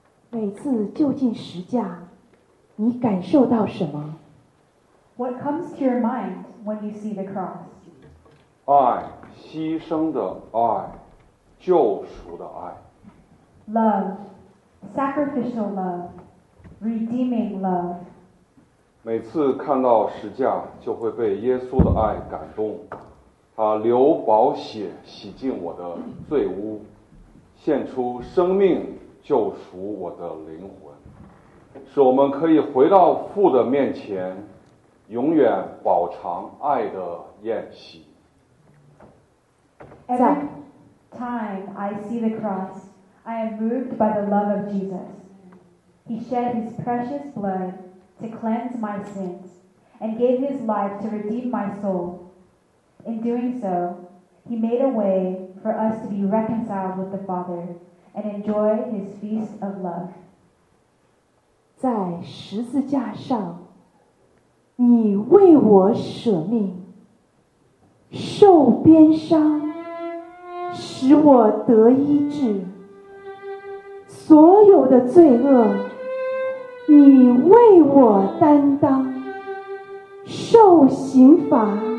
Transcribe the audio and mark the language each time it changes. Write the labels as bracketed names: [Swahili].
[Chinese] 每次就近十架，你感受到什么？ [English] What comes to your mind when you see the cross? [Chinese] 爱，牺牲的爱，救赎的爱。 [English] Love, sacrificial love, redeeming love. [Chinese] 每次看到十架，就会被耶稣的爱感动。他流宝血洗净我的罪污，献出生命救赎我的灵魂，使我们可以回到父的面前，永远饱尝爱的宴席。 [English] Every time I see the cross, I am moved by the love of Jesus. He shed his precious blood to cleanse my sins and gave his life to redeem my soul. In doing so, he made a way for us to be reconciled with the Father and enjoy his feast of love. [Chinese] 在十字架上，你为我舍命，受鞭伤，使我得医治。所有的罪恶，你为我担当，受刑罚。